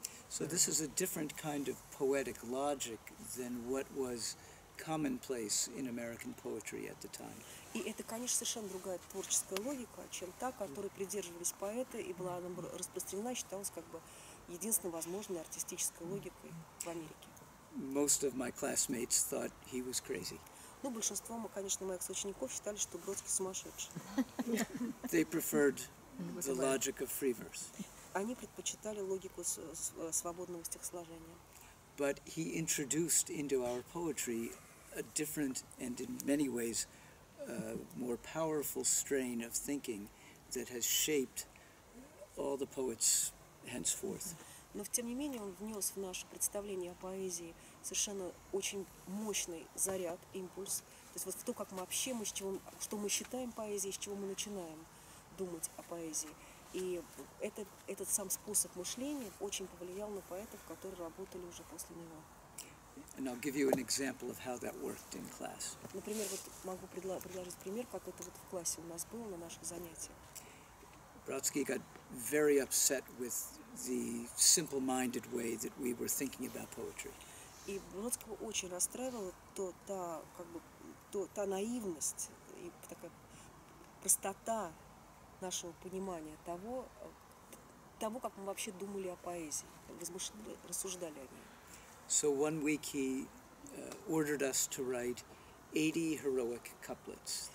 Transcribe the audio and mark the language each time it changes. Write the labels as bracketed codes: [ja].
[en] So this is a different kind of poetic logic than what was commonplace in American poetry at the time. [ru] И это, конечно, совершенно другая творческая логика, чем та, которой придерживались поэты, и была она распространена, считалась как бы единственной возможной артистической логикой в Америке. [en] most of my classmates thought he was crazy. [ru] Ну, большинство, мы, конечно, моих соучеников считали, что Бродский сумасшедший. [en] They preferred the logic of free verse. [ru] Они предпочитали логику свободного стихосложения. [en] But he introduced into our poetry a different and in many ways more powerful strain of thinking that has shaped all the poets henceforth. [ru] Но тем не менее он внес в наше представление о поэзии совершенно очень мощный заряд, импульс. То есть вот то, как мы вообще, мы с чего, что мы считаем поэзией, с чего мы начинаем думать о поэзии. И этот сам способ мышления очень повлиял на поэтов, которые работали уже после него. [en] And I'll give you an example of how that worked in class. [ru] Например, вот могу предложить пример, как это вот в классе у нас было на наших занятиях. [en] Бродский got very upset with the simple-minded way that we were thinking about poetry. [ru] И Бродского очень расстраивала та наивность и такая простота нашего понимания того, как мы вообще думали о поэзии, рассуждали о ней. [en] So one week he ordered us to write 80 heroic couplets.